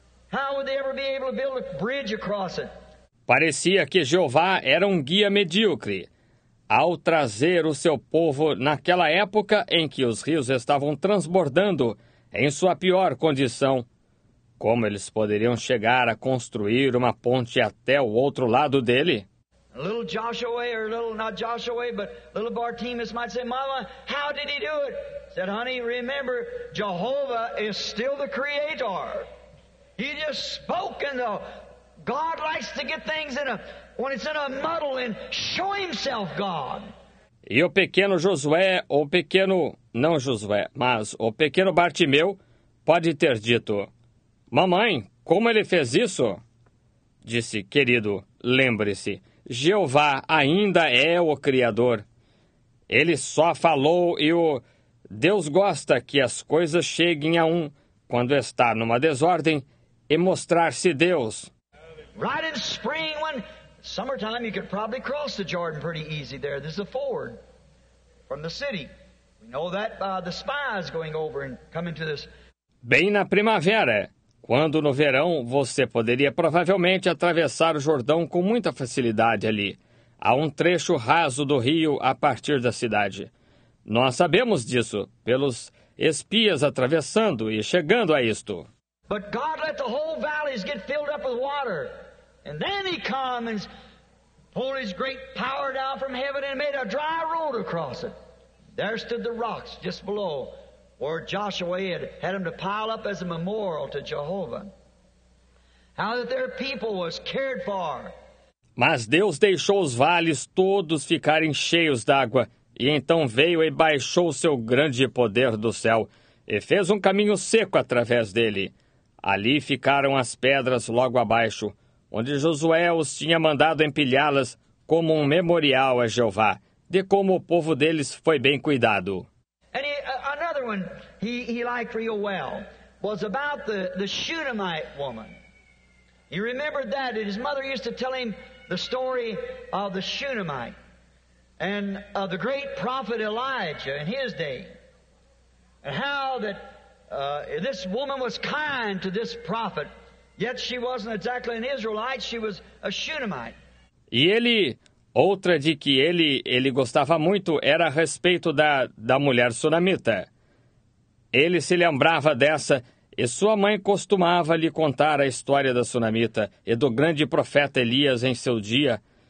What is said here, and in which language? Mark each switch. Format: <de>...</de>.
<en>How would they ever be able to build a bridge across it?</en> <pt>Parecia que Jeová era um guia medíocre ao trazer o seu povo naquela época em que os rios estavam transbordando em sua pior condição. Como eles poderiam chegar a construir uma ponte até o outro lado dele?</pt> <en>Little Joshua, or little, not Joshua, but little Bartimaeus might say, Mama, how did he do it? Said, honey, remember, Jehovah is still the creator. He just spoke, and God likes to get things in a... when it's in a muddle and show himself God.</en> <pt>E o pequeno Josué, ou pequeno, não Josué, mas o pequeno Bartimeu, pode ter dito, Mamãe, como ele fez isso? Disse, querido, lembre-se, Jeová ainda é o Criador. Ele só falou e o Deus gosta que as coisas cheguem a um quando está numa desordem e mostrar-se Deus.</pt> <en>Right in spring, when... summertime, you could probably cross the Jordan pretty easy there. There's a ford from the city. We know that by the spies going over and coming to this.</en> <pt>Bem na primavera, quando no verão você poderia provavelmente atravessar o Jordão com muita facilidade ali. Há um trecho raso do rio a partir da cidade. Nós sabemos disso pelos espias atravessando e chegando a isto.</pt> <en>But God let the whole valleys get filled up with water. And then he came and pulled his great power down from heaven and made a dry road across it. There stood the rocks just below where Joshua had them to pile up as a memorial to Jehovah. How that their people was cared for.</en> <pt>Mas Deus deixou os vales todos ficarem cheios d'água, e então veio e baixou seu grande poder do céu e fez um caminho seco através dele. Ali ficaram as pedras logo abaixo, onde Josué os tinha mandado empilhá-las como um memorial a Jeová, de como o povo deles foi bem cuidado.</pt> <en>And another one he liked real well was about the Shunammite woman. He remembered that, and his mother used to tell him the story of the Shunammite and of the great prophet Elijah in his day, and how that this woman was kind to this prophet. Yet she wasn't exactly an Israelite, she was a Shunammite.</en> <pt>E ele, outra de que ele gostava muito, era a respeito da mulher sunamita. Ele se lembrava dessa, e sua mãe costumava lhe contar a história da sunamita e do grande profeta Elias em seu dia.</pt>